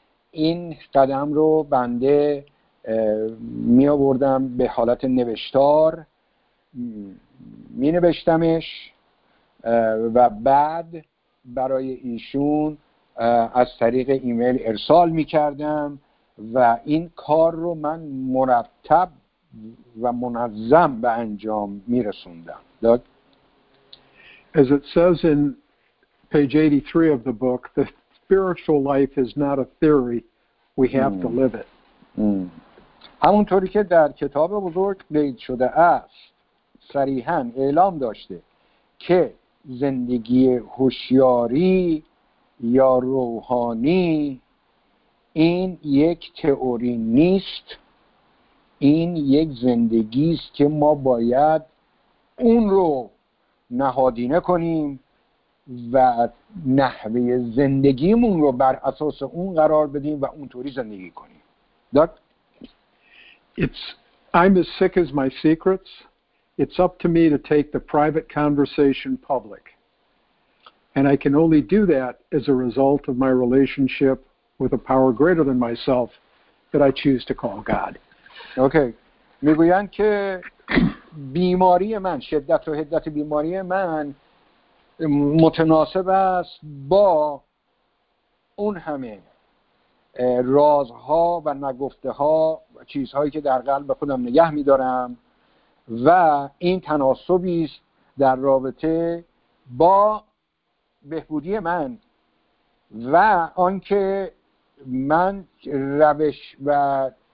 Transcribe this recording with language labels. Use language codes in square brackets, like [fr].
[fa] این قدم رو بنده می آوردم به حالت نوشتار، می نوشتمش و بعد برای ایشون از طریق ایمیل ارسال می کردم و این کار رو من مرتب و منظم به انجام می رسوندم. [en] As it says in page 83 of the book, the spiritual life is not a theory. We have to live it. [fa] همونطوری که در کتاب بزرگ قید شده است، صریحاً اعلام داشته که زندگی هوشیاری یا روحانی این یک تئوری نیست، این یک زندگی است که ما باید اون رو نهادینه کنیم و نحوه زندگیمون رو بر اساس اون قرار بدیم و اونطوری زندگی کنیم. [en] I'm as sick as my secrets. It's up to me to take the private conversation public. And I can only do that as a result of my relationship with a power greater than myself that I choose to call God. Okay. [fa] میگویند که بیماری من، شدت و حدت بیماری من متناسب است با اون همه رازها و نگفته ها و چیزهایی که در قلب خودم نگه میدارم و این تناسبی است در رابطه با بهبودی من و آنکه من روش و